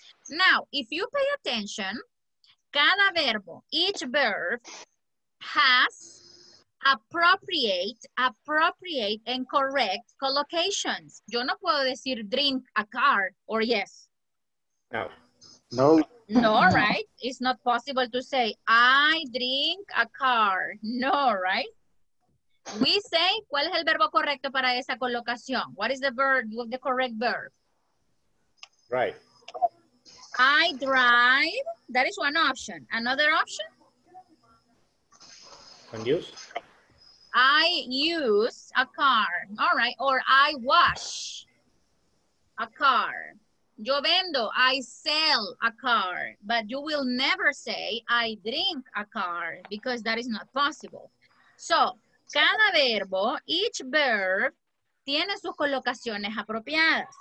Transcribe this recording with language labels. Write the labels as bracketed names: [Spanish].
[English] Now, if you pay attention, [Spanish] cada verbo, [English] each verb has appropriate and correct collocations. [Spanish] Yo no puedo decir [English] drink a car or yes. No. No. No, right? It's not possible to say I drink a car. No, right? We say, [Spanish] ¿cuál es el verbo correcto para esa colocación? [English] What is the verb with the correct verb? Right. I drive. That is one option. Another option? [Spanish] Conduce. [English] I use. a car. All right. Or I wash a car. [Spanish] Yo vendo. [English] I sell a car. But you will never say I drink a car because that is not possible. [Spanish] So, cada verbo, [English] each verb, [Spanish] tiene sus colocaciones apropiadas.